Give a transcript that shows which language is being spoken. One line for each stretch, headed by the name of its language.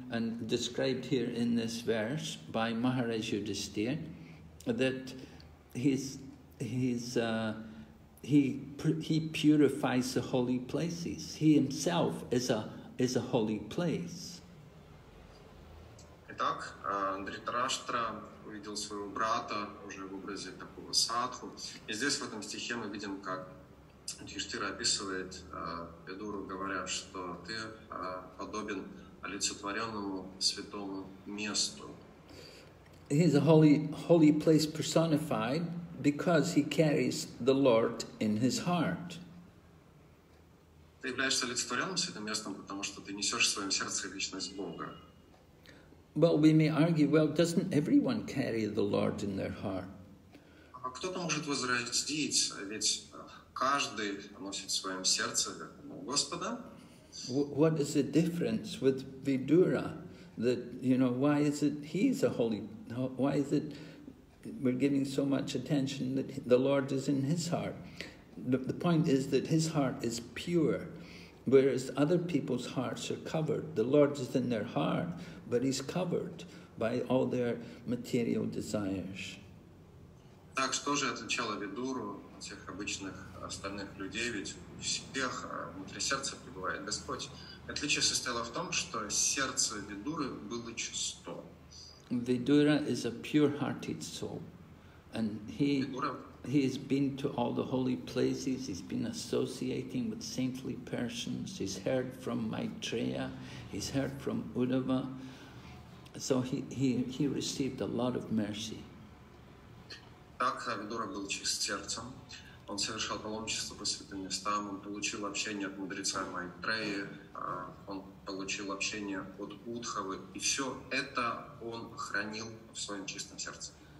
English: And described here in this verse by Maharaj Yudhisthira, that he purifies the holy places. He himself is a holy place.
Russian: Итак, Дхритарашта увидел своего брата уже в образе такого садху. И здесь в этом стихе мы видим, как Юдхиштхира описывает Видуру, говоря, что ты подобен олицетворенному святому месту.
English: He is a holy place personified because he carries the Lord in his heart.
Russian: Ты являешься олицетворенным святым местом, потому что ты несешь в своем сердце личность Бога.
English: Well, we may argue, well, doesn't everyone carry the Lord in their heart?
Russian: А кто-то может возразить, ведь каждый носит в своем сердце Господа.
English: What is the difference with Vidura? That, you know, why is it he's a holy? Why is it we're giving so much attention that the Lord is in his heart? The point is that his heart is pure, whereas other people's hearts are covered. The Lord is in their heart, but he's covered by all their material desires.
Russian: Так что же отличало Видуру от всех обычных остальных людей, ведь у всех внутри сердца пребывает Господь. Отличие состояло в том, что сердце Видуры было чисто.
English: Vidura is a pure-hearted soul, and he has been to all the holy places, he's been associating with saintly persons, he's heard from Maitreya, he's heard from Uddhava, so he received a lot of mercy.
Russian: Так Видура был чист сердцем. Он совершал паломничество по святым местам, он получил общение от мудреца Майтреи, он получил общение от Удхавы, и все это он хранил в своем чистом сердце.